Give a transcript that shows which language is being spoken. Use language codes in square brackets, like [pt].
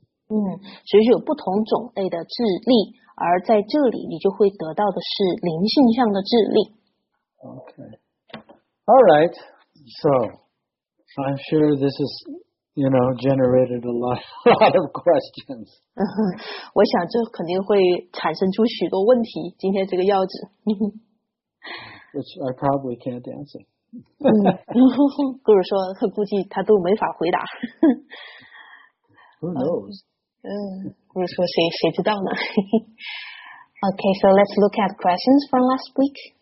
[zh] 所以有不同种类的智力，而在这里你就会得到的是灵性上的智力。Okay. [en] All right. So I'm sure this is, you know, generated a lot of questions. [zh] 我想这肯定会产生出许多问题。今天这个要旨。 [en] which I probably can't answer. [zh] 嗯，Guru说他估计他都没法回答。 [en] Who knows? [zh] 嗯，Guru说谁知道呢？ [en] Okay, so let's look at questions from last week.